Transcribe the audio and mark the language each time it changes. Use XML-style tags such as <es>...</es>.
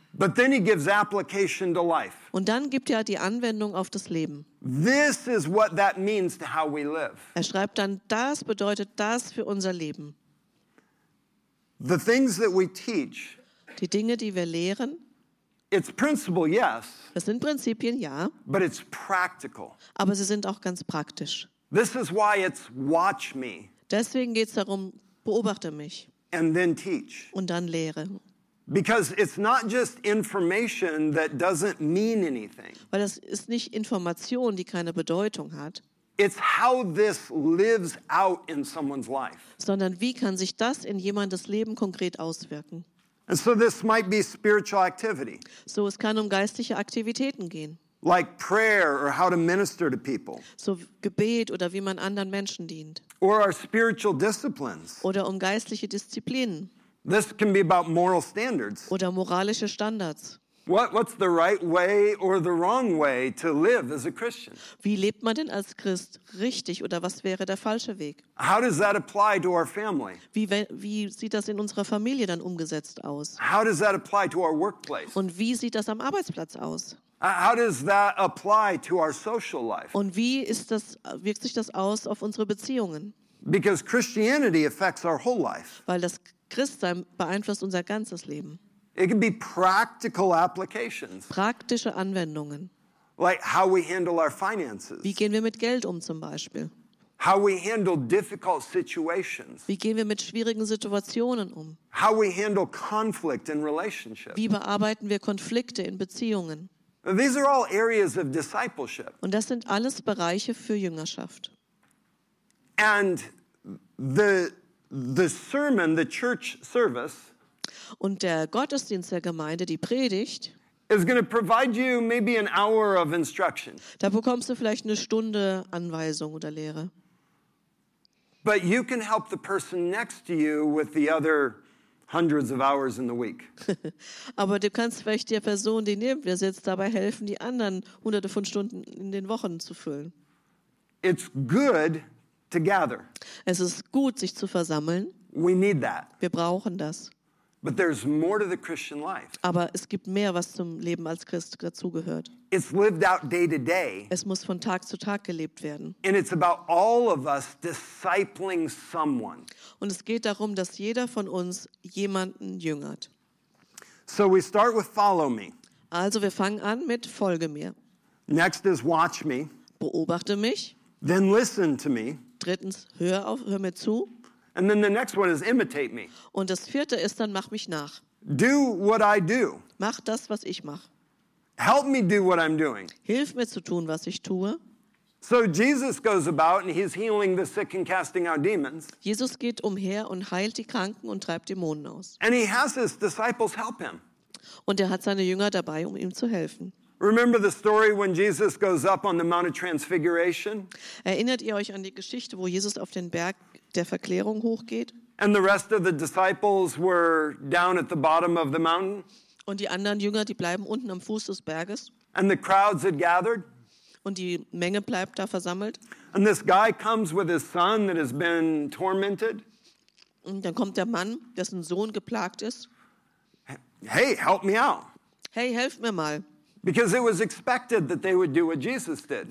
<en>But then he gives application to life.</en> <de>Und dann gibt er die Anwendung auf das Leben.</de> <en>This is what that means to how we live.</en> <de>Er schreibt dann, das bedeutet das für unser Leben.</de> <en>The things that we teach,</en> <de>die Dinge, die wir lehren,</de> <en>it's principle, yes,</en> <de>das sind Prinzipien, ja,</de> <en>but it's practical.</en> <de>Aber sie sind auch ganz praktisch.</de> <en>This is why it's watch me.</en> <de>Deswegen geht es darum, beobachte mich</de> <en>and then teach.</en> <de>Und dann lehre.</de> <en>Because it's not just information that doesn't mean anything.</en> <de>Weil das ist nicht Information, die keine Bedeutung hat.</de> <en>It's how this lives out in someone's life.</en> <de>Sondern wie kann sich das in jemandes Leben konkret auswirken?</de> <en>And so this might be spiritual activity.</en> <de>So es kann um geistliche Aktivitäten gehen.</de> <en>Like prayer or how to minister to people.</en> <de>So Gebet oder wie man anderen Menschen dient.</de> <en>Or our spiritual disciplines.</en> <de>Oder um geistliche Disziplinen.</de> <en>This can be about moral standards.</en> <de>Oder moralische Standards.</de> <en>What's the right way or the wrong way to live as a Christian?</en> <de>Wie lebt man denn als Christ richtig oder was wäre der falsche Weg?</de> <en>How does that apply to our family?</en> <de>Wie sieht das in unserer Familie dann umgesetzt aus?</de> <en>How does that apply to our workplace?</en> <de>Und wie sieht das am Arbeitsplatz aus?</de> <en>How does that apply to our social life?</en> <de>Und wie ist das, wirkt sich das aus auf unsere Beziehungen?</de> <en>Because Christianity affects our whole life.</en> <de>Weil das Christsein beeinflusst unser ganzes Leben.</de> <en>It can be practical applications.</en> <de>Praktische Anwendungen.</de> <en>Like how we handle our finances.</en> <de>Wie gehen wir mit Geld um zum Beispiel?</de> <en>How we handle difficult situations.</en> <de>Wie gehen wir mit schwierigen Situationen um?</de> <en>How we handle conflict in relationships.</en> <de>Wie bearbeiten wir Konflikte in Beziehungen?</de> <en>These are all areas of discipleship.</en> <de>Und das sind alles Bereiche für Jüngerschaft.</de> <en>And the sermon, the church service,</en> <de>und der Gottesdienst der Gemeinde, die Predigt,</de> <en>is going to provide you maybe an hour of instruction.</en> <de>Da bekommst du vielleicht eine Stunde Anweisung oder Lehre.</de> <en>But you can help the person next to you with the other hundreds of hours in the week.</en> <de>Aber du kannst vielleicht der Person, die neben dir sitzt, dabei helfen, die anderen hunderte von Stunden in den Wochen zu füllen.</de> <en>It's good to gather.</en> <de>Es ist gut, sich zu versammeln.</de> <en>We need that.</en> <de>Wir brauchen das.</de> <en>But there's more to the Christian life.</en> <de>Aber es gibt mehr, was zum Leben als Christ dazugehört.</de> <en>It's lived out day to day.</en> <de>Es muss von Tag zu Tag gelebt werden.</de> <en>And it's about all of us discipling someone.</en> <de>Und es geht darum, dass jeder von uns jemanden jüngert.</de> <en>So we start with follow me.</en> <de>Also wir fangen an mit folge mir.</de> <en>Next is watch me.</en> <de>Beobachte mich.</de> <en>Then listen to me.</en> <de>Drittens, hör mir zu.</de> <en>And then the next one is imitate me.</en> <de>Und das vierte ist dann mach mich nach.</de> <en>Do what I do.</en> <de>Mach das, was ich mach.</de> <en>Help me do what I'm doing.</en> <de>Hilf mir zu tun, was ich tue.</de> <en>So Jesus goes about and he's healing the sick and casting out demons.</en> <de>Jesus geht umher und heilt die Kranken und treibt Dämonen aus.</de> <en>And he has his disciples help him.</en> <de>Und er hat seine Jünger dabei, um ihm zu helfen.</de> <en>Remember the story when Jesus goes up on the Mount of Transfiguration?</en> <de>Erinnert ihr euch an die Geschichte, wo Jesus auf den Berg der Verklärung hochgeht?</de> <en>And the rest of the disciples were down at the bottom of the mountain?</en> <de>Und die anderen Jünger, die bleiben unten am Fuß des Berges.</de> <en>And the crowds had gathered.</en> <de>Und die Menge bleibt da versammelt.</de> <en>And this guy comes with his son that has been tormented.</en> <de>Und dann kommt der Mann, dessen Sohn geplagt ist.</de> <en>Hey, help me out.</en> <de>Hey, helf mir mal.</de> <en>Because it was expected that they would do what Jesus did.</en>